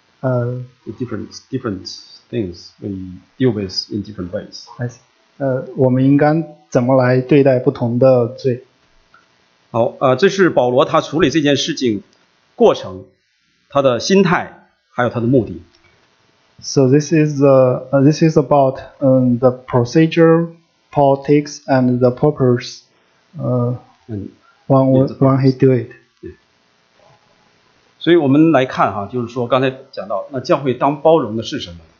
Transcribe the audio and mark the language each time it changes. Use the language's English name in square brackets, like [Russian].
[English] Different things we deal with in different ways. I see. [Chinese] 我们应该怎么来对待不同的罪？好，这是保罗他处理这件事情过程，他的心态，还有他的目的。 [English] So this is about the procedure, politics, and the purpose. When he do it. [Chinese] 所以我们来看哈，就是说刚才讲到，那教会当包容的是什么？